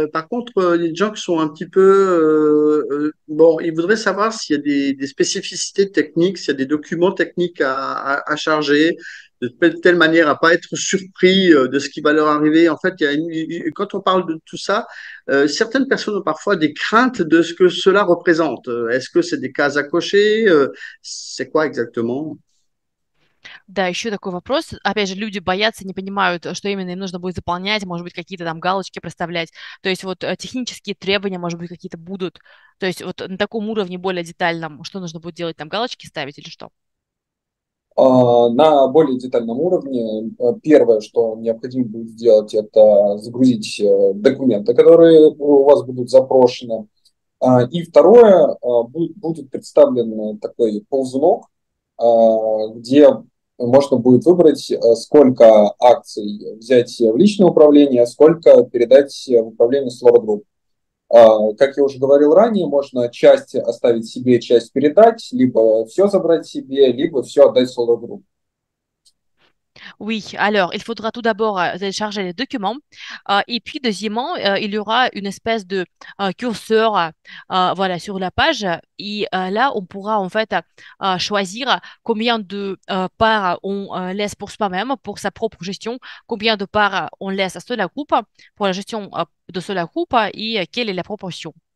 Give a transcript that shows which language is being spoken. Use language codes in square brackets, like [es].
[fr] Par contre, les gens qui sont un petit peu... bon, ils voudraient savoir s'il y a des spécificités techniques, s'il y a des documents techniques à charger, de telle manière à pas être surpris de ce qui va leur arriver. En fait, quand on parle de tout ça, certaines personnes ont parfois des craintes de ce que cela représente. Est-ce que c'est des cases à cocher? C'est quoi exactement? [ru] Да, еще такой вопрос. Опять же, люди боятся, не понимают, что именно им нужно будет заполнять, может быть, какие-то там галочки проставлять. То есть вот технические требования, может быть, какие-то будут. То есть вот на таком уровне более детальном, что нужно будет делать, там галочки ставить или что? На более детальном уровне первое, что необходимо будет сделать, это загрузить документы, которые у вас будут запрошены. И второе, будет представлен такой ползунок, где можно будет выбрать, сколько акций взять в личное управление, сколько передать в управление Solar Group. Как я уже говорил ранее, можно часть оставить себе, часть передать, либо все забрать себе, либо все отдать Solar Group. [fr] Oui, alors il faudra тout d'abord télécharger les documents. Et puis, deuxièmement, il y aura une espèce de curseur voilà, sur la page. Et là, on pourra en fait choisir combien de parts on laisse pour soi-même, pour sa propre gestion, combien de parts on laisse à Solar Group, pour la gestion de Solar Group et quelle est la proportion.